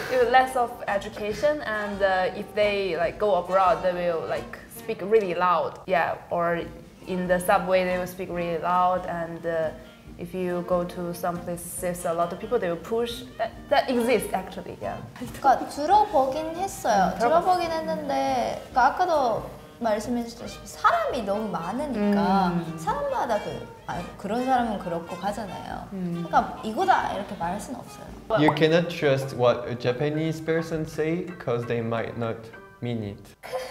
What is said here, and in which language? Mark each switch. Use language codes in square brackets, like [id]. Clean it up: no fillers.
[en] less of education, and if they like go abroad, they will like speak really loud. Yeah, or in the subway, they will speak really loud and. If you go to some places, a lot of people, they will push. That exists, actually, yeah. [ko] 그러니까 들어보긴 했어요. 들어보긴 했는데 그러니까 아까도 말씀해주셨듯이 사람이 너무 많으니까 사람마다 그런 사람은 그렇고 하잖아요. 그러니까 이거다 이렇게 말할 수는 없어요. [en] You cannot trust what a Japanese person say because they might not mean it.